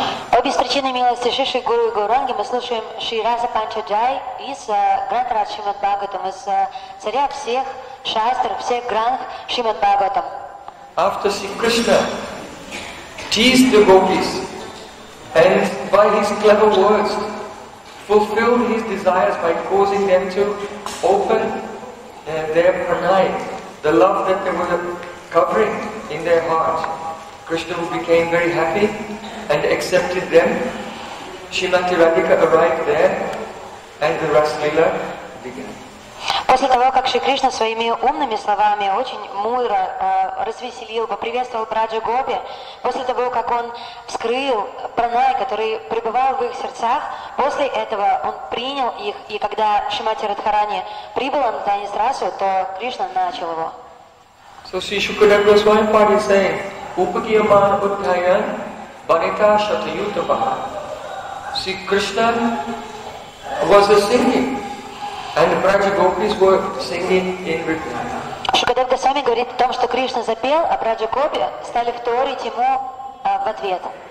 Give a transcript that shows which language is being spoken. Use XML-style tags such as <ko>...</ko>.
<ru>По беспричинной милости Шиши Гуру и Гауранги мы слушаем Шри Раса Панчаджай из Гранта Шримад Бхагаватам, из царя всех шастр, всех гранд Шримад Бхагаватам.</ru> <en>After Sri Krishna teased the gopis and by his clever words fulfilled his desires by causing them to open their pranay, the love that they were covering in their heart, Krishna became very happy and accepted them. Shrimati Radhika arrived there and the Rasleela began.</en> <ru>После того, как Шри Кришна своими умными словами очень мудро развеселил, поприветствовал Браджа Гопи, после того, как он вскрыл пранай, который пребывал в их сердцах, после этого он принял их, и когда Шримати Радхарани прибыла на Танисрасу, то Кришна начал его.</ru> <en>So Sri Shukadev Goswami Pandit saying, Upakiyaman Uttayan Banita Shatayuta Baha. Sri Krishna was a singing and the Braja Gopis were singing in reply.</en> <ru>Shukadev Goswami говорит о том, что Кришна запел, а Браджа Гопи стали вторить ему в ответ.</ru>